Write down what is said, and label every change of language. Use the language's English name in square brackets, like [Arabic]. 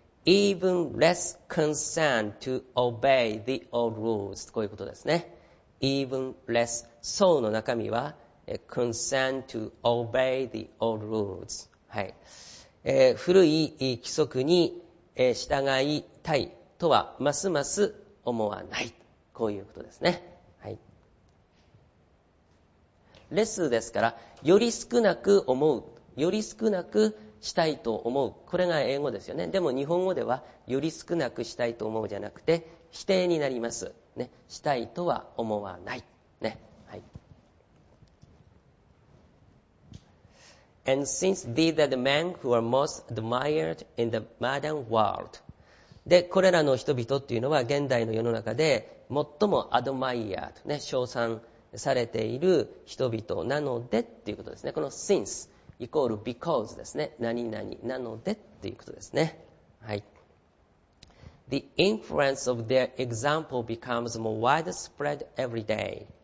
[English] even less concerned to obey the old rules. [Japanese] こういうことですね。 [English] even less so [Japanese] の中身は [English] concerned to obey the old rules. [Japanese] はい。古い規則に従いたい。とはますます思わない、こういうことですね。はい、レスですからより少なく思う、より少なくしたいと思う、これが英語ですよね。でも日本語ではより少なくしたいと思うじゃなくて否定になりますね。したいとは思わないね。はい、 [English] And since these are the men who are most admired in the modern world [Japanese] で、これらの人々っていうのは現代の世の中で最もアドマイアと、ね、称賛されている人々なのでっていうことですね。この since イコール because ですね。何々なのでっていうことですね。はい。 [English] The influence of their example becomes more widespread every day.